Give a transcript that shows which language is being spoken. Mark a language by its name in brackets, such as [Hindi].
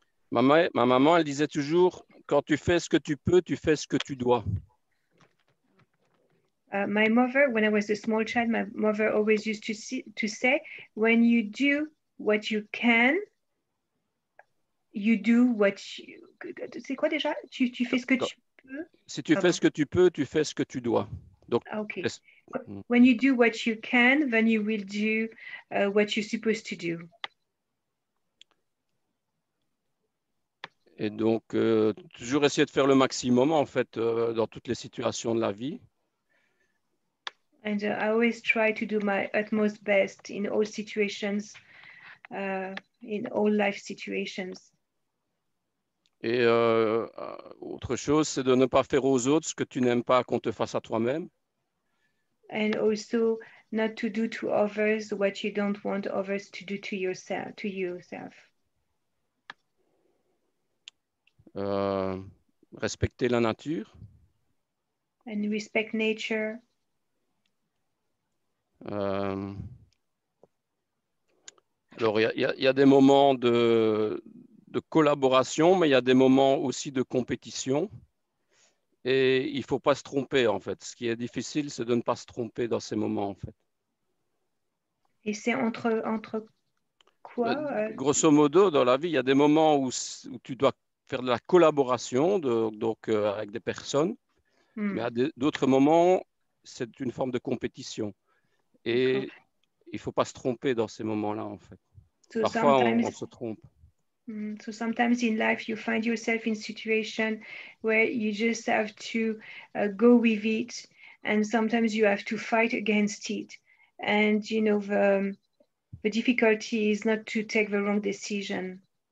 [French] Ma maman, elle disait toujours, quand tu fais ce que tu peux, tu fais ce que tu dois. [English] My mother, when I was a small child, my mother always used to say, when you do what you can, you do what you... [French] C'est quoi déjà? Tu fais ce que tu peux? Si tu fais ce que tu peux, tu fais ce que tu dois. Donc, okay. [English] When you do what you can, then you will do what you're supposed to do. [French] Et donc, toujours essayer de faire le maximum, en fait, dans toutes les situations de la vie. [English] And I always try to do my utmost best in all situations, in all life situations. [French] Et autre chose, c'est de ne pas faire aux autres ce que tu n'aimes pas qu'on te fasse à toi-même. [English] And also not to do to others what you don't want others to do to yourself. [French] Respecter la nature. [English] And respect nature. [French] Alors, il y a des moments de collaboration, mais il y a des moments aussi de compétition. Et il ne faut pas se tromper, en fait. Ce qui est difficile, c'est de ne pas se tromper dans ces moments, en fait. Et c'est entre quoi? Grosso modo, dans la vie, il y a des moments où tu dois faire de la collaboration donc avec des personnes. Hmm. Mais à d'autres moments, c'est une forme de compétition. Et d'accord. Il ne faut pas se tromper dans ces moments-là, en fait. So parfois, on se trompe. [English] So sometimes in life, you find yourself in a situation where you just have to go with it, and sometimes you have to fight against it. And you know, the difficulty is not to take the wrong decision.